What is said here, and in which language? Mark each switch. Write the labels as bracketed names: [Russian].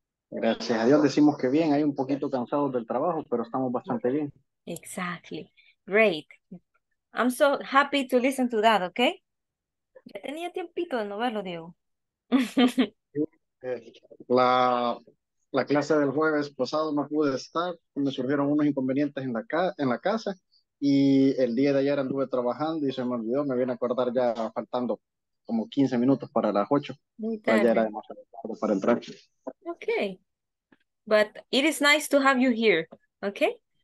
[Spanish] Gracias a Dios, decimos que bien, hay un poquito cansados del trabajo, pero estamos bastante bien. [English] Exactly. Great. I'm so happy to listen to that, okay? [Spanish] Ya tenía tiempito de no verlo, Diego. La clase del jueves pasado no pude estar, me surgieron unos inconvenientes en la casa y el día de ayer anduve trabajando y se me olvidó, me viene a acordar ya faltando como 15 minutos para las 8, Muy pero ya era tarde. demasiado tarde para entrar. [English] Okay. But it is nice to have you here, okay?